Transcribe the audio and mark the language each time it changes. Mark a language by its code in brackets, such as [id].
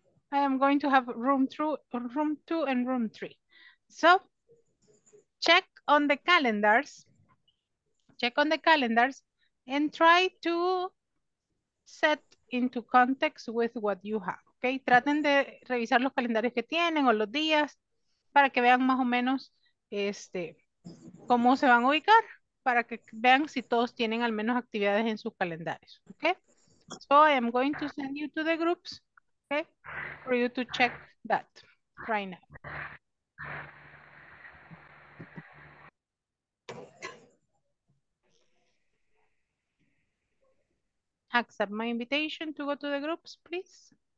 [en] I am going to have room two and room three. So check on the calendars and try to set into context with what you have, okay? [es] Traten de revisar los calendarios que tienen o los días para que vean más o menos cómo se van a ubicar, para que vean si todos tienen al menos actividades en sus calendarios, okay? [en] So I am going to send you to the groups, okay, for you to check that right now. Accept my invitation to go to the groups, please.